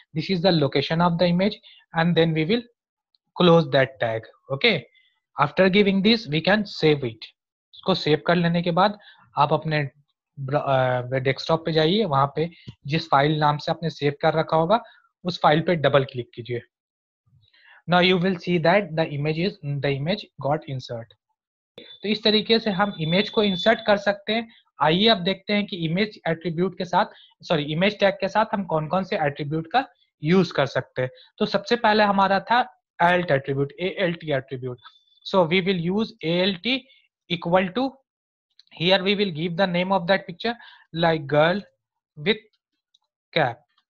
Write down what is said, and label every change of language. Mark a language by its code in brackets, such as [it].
[en] This is the location of the image and then we will close that tag. [hi] Okay, [en] After giving this we can save it. [hi] इसको save कर लेने के बाद आप अपने desktop पे जाइए, वहां पे जिस फाइल नाम से आपने सेव कर रखा होगा उस फाइल पे डबल क्लिक कीजिए. [en] Now you will see that the image got insert. [hi] तो इस तरीके से हम इमेज को इंसर्ट कर सकते हैं. आइए अब देखते हैं कि इमेज एट्रीब्यूट के साथ, सॉरी इमेज टैग के साथ हम कौन कौन से एट्रीब्यूट का यूज कर सकते हैं. तो सबसे पहले हमारा था alt attribute, alt attribute. [en] So we will use alt equal to here we will give the name of that picture like girl with cap.